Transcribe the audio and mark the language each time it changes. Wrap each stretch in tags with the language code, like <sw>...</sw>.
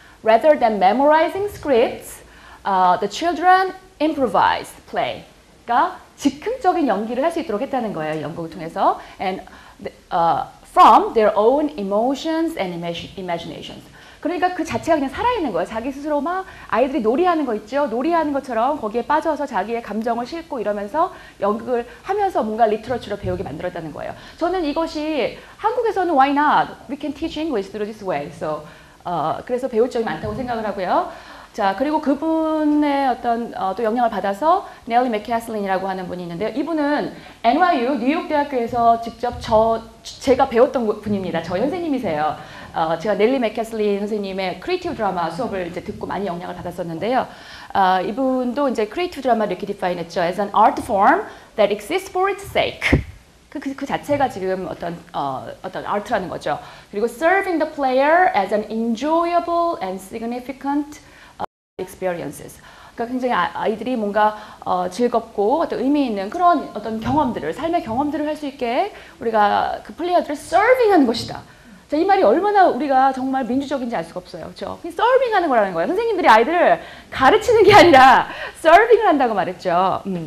<en>Rather than memorizing scripts, the children improvise play.</en> <ko>그러니까 즉흥적인 연기를 할 수 있도록 했다는 거예요. 연극을 통해서.</ko> <en>From their own emotions and imaginations.</en> <ko>그러니까 그 자체가 그냥 살아있는 거예요. 자기 스스로 막 아이들이 놀이하는 거 있죠? 놀이하는 것처럼 거기에 빠져서 자기의 감정을 싣고 이러면서 연극을 하면서 뭔가 리터러처를 배우게 만들었다는 거예요. 저는 이것이 한국에서는</ko> <en>why not? We can teach English through this way.</en> <ko>So, 그래서 배울 점이 많다고 생각을 하고요. 자, 그리고 그분의 어떤 또 영향을 받아서 넬리 맥캐슬린이라고 하는 분이 있는데요. 이분은 NYU 뉴욕대학교에서 직접 제가 배웠던 분입니다. 저 선생님이세요. 제가 넬리 맥캐슬린 선생님의 크리에이티브 드라마 수업을 이제 듣고 많이 영향을 받았었는데요. 이분도 이제 크리에이티브 드라마를 이렇게 디파인 했죠.</ko> <en>As an art form that exists for its sake.</en> <ko>그 자체가 지금 어떤 아트라는 거죠. 그리고</ko> <en>serving the player as an enjoyable and significant experiences.</en> <ko>그러니까 굉장히 아이들이 뭔가 즐겁고 어떤 의미 있는 그런 어떤 경험들을, 삶의 경험들을 할 수 있게 우리가 그 플레이어들을 서빙하는 것이다. 자, 이 말이 얼마나 우리가 정말 민주적인지 알 수가 없어요. 그렇죠? 서빙하는 거라는 거예요. 선생님들이 아이들을 가르치는 게 아니라 서빙을 한다고 말했죠.</ko>